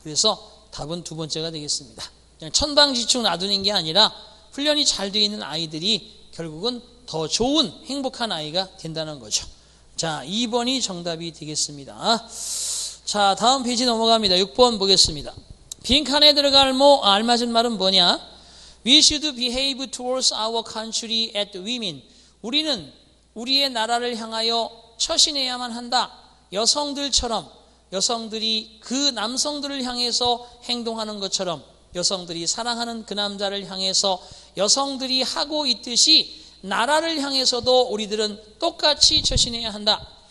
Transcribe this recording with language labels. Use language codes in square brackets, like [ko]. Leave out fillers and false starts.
[ko] 그래서 답은 두 번째가 되겠습니다. 그냥 천방지축 놔두는 게 아니라 훈련이 잘 되어 있는 아이들이 결국은 더 좋은 행복한 아이가 된다는 거죠. 자, 2번이 정답이 되겠습니다. 자, 다음 페이지 넘어갑니다. 6번 보겠습니다. 빈칸에 들어갈 뭐 알맞은 말은 뭐냐? [en] We should behave towards our country at women. [ko] 우리는 우리의 나라를 향하여 처신해야만 한다. 여성들처럼 여성들이 그 남성들을 향해서 행동하는 것처럼 여성들이 사랑하는 그 남자를 향해서 여성들이 하고 있듯이 나라를 향해서도 우리들은 똑같이 처신해야 한다.